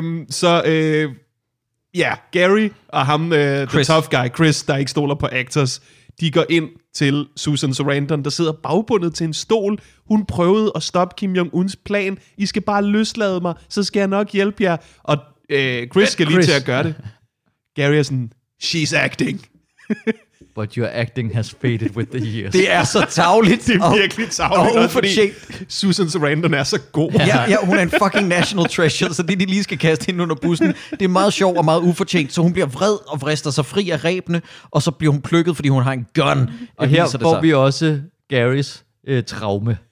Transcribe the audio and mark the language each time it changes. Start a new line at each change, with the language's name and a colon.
Danish: Så Ja, Gary og ham, Chris.
English: The tough guy,
Danish: Chris, der ikke stoler på actors, de går ind til Susan Sarandon, der sidder bagbundet til en stol. Hun prøvede at stoppe Kim Jong-uns plan. I skal bare løslade mig, så skal jeg nok hjælpe jer. Og Chris skal lige til at gøre det. Gary er sådan,
English: she's acting. But your acting has faded with the years.
Danish: Det er så tavligt. Det er virkelig tavligt, og fordi Susan Sarandon er så god. Ja, ja, hun er en fucking national treasure, så det de lige skal kaste hende under bussen. Det er meget sjovt og meget ufortjent, så hun bliver vred og vrister sig fri af ræbene, og så bliver hun plukket, fordi hun har en gun. Og her får vi også Garys traume.